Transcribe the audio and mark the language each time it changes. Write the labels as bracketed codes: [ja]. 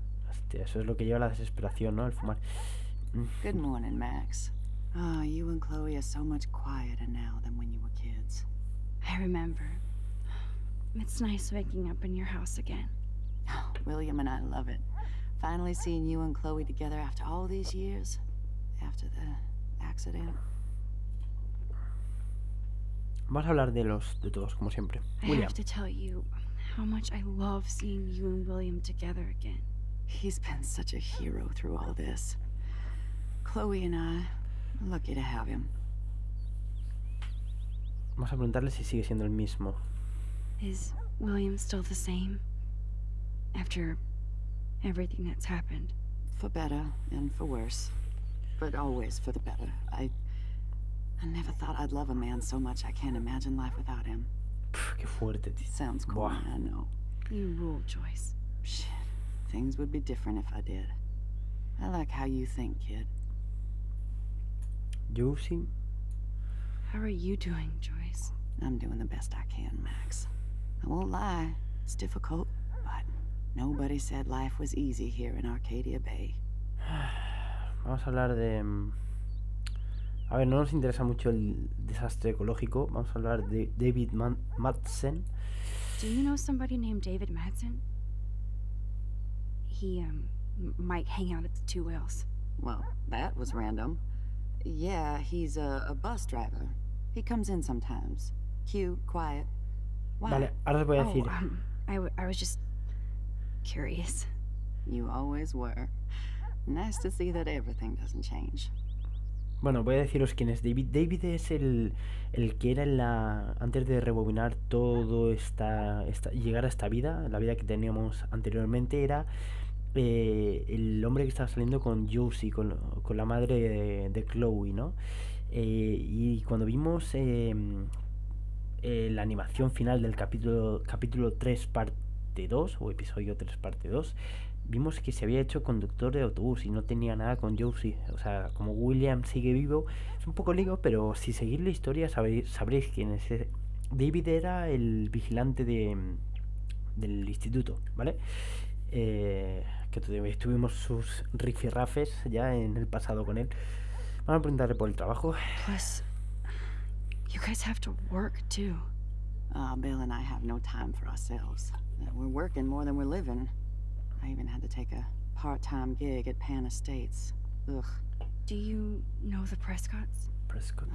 [es] Hostia, eso es lo que lleva a la desesperación, ¿no? El fumar. [en] Good morning, Max. Ah, you and Chloe are so much quieter now than when you were kids. I remember. It's nice waking up in your house again. Oh, William and I love it. Finally seeing you and Chloe together after all these years, after the accident. [es] Vamos a hablar de todos, como siempre. [en] William. I have to tell you how much I love seeing you and William together again. He's been such a hero through all this. Chloe and I, lucky to have him. [es] Vamos a preguntarle si sigue siendo el mismo. [en] Is William still the same? After everything that's happened. For better and for worse. But always for the better. I never thought I'd love a man so much. I can't imagine life without him. [es] Qué fuerte. [en] Sounds cool. Buah. I know. You rule, Joyce. Shit. Things would be different if I did. I like how you think, kid. Josie? How are you doing, Joyce? I'm doing the best I can, Max. I won't lie. It's difficult, but nobody said life was easy here in Arcadia Bay. [es] Vamos a hablar de. A ver, no nos interesa mucho el desastre ecológico. Vamos a hablar de David Madsen. [en] Do you know somebody named David Madsen? He might hang out at the Two Whales. Well, that was random. Yeah, he's a bus driver. He comes in sometimes. Cute, quiet. Why? [es] Vale, ahora os voy a decir. [en] Oh, I was just curious. You always were. Nice to see that everything doesn't change. [es] Bueno, voy a deciros quién es David. David es el que era en la. Antes de rebobinar todo esta. Llegar a esta vida, la vida que teníamos anteriormente, era el hombre que estaba saliendo con Josie, con la madre de Chloe, ¿no? Y cuando vimos la animación final del capítulo 3, parte 2, o episodio 3, parte 2. Vimos que se había hecho conductor de autobús y no tenía nada con Josie. O sea, como William sigue vivo, es un poco lío, pero si seguís la historia sabréis quién es. David era el vigilante del instituto, ¿vale? Que tuvimos sus rifirrafes ya en el pasado con él. Vamos a preguntarle por el trabajo. [en] Plus, you guys have to work too. Bill and I have no time for ourselves. We're working more than we're living. I even had to take a part-time gig at Pan Estates. Ugh. Do you know the Prescotts? Prescotts.